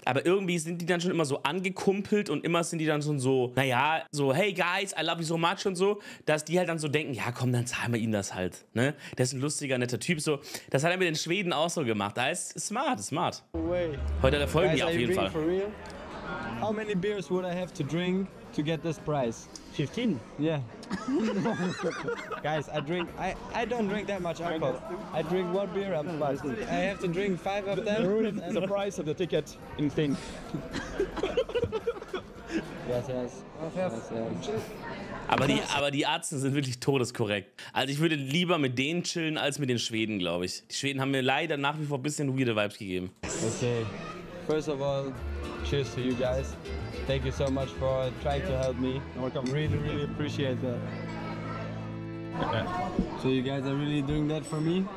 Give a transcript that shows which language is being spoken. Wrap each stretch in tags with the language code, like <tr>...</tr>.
<de>Aber irgendwie sind die dann schon immer so angekumpelt und immer sind die dann schon so, naja, so,</de> <en>hey, guys, I love you so much</en> <de>und so, dass die halt dann so denken, ja, komm, dann zahlen wir ihm das halt, ne? Der ist ein lustiger, netter Typ, so. Das hat er mit den Schweden auch so gemacht. Da ist smart, smart. Heute hat er folgen die auf jeden Fall.</de> <en>How many beers would I have to drink to get this price? 15? Yeah. Guys, I don't drink that much alcohol. I drink one beer a month. I have to drink 5 of them. And the price of the ticket in thin. Yes.</en> <de>Aber die Ärzte sind wirklich todeskorrekt. Also ich würde lieber mit denen chillen als mit den Schweden, glaube ich. Die Schweden haben mir leider nach wie vor ein bisschen weirde Vibes gegeben.</de> <en>Okay. First of all, cheers to you guys. Thank you so much for trying to help me. Welcome. Really, really appreciate that. So you guys are really doing that for me?</en>